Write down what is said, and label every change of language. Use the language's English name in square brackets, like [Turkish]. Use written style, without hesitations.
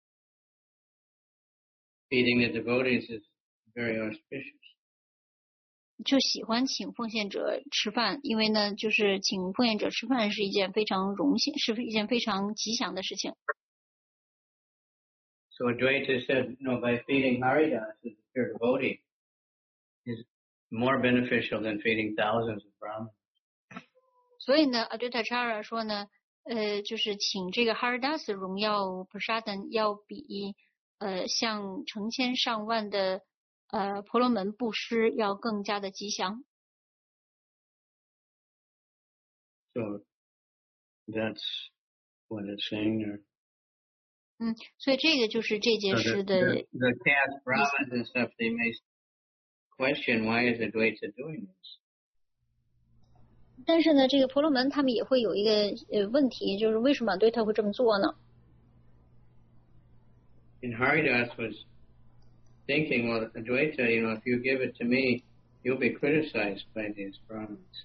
[Chinese] 那所以就为什么呢？就这些虔诚的人们呢，他们就愿意去这个支持奉献者。 [English] Feeding the devotees is very auspicious. [Chinese] 就喜欢请奉献者吃饭，因为呢，就是请奉献者吃饭是一件非常荣幸，是一件非常吉祥的事情。 [English] So Advaita said, no, by feeding Haridas, the pure devotee, is more beneficial than feeding thousands of Brahmins. [Chinese] 所以呢 ,Advaita Chara 说呢就是请这个 Haridas 荣耀 Prasadan 要比像成千上万的婆罗门布施要更加的吉祥。 [English] So that's what it's saying there. [Chinese] 所以这个就是这节诗的。 [English] So the caste Brahmins and stuff, they may question why is Advaita doing this? [Chinese] 但是呢这个婆罗门他们也会有一个问题就是为什么对他会这么做呢 [English] And Haridas was thinking, well, Advaita, you know, if you give it to me, you'll be criticized by these Brahmins.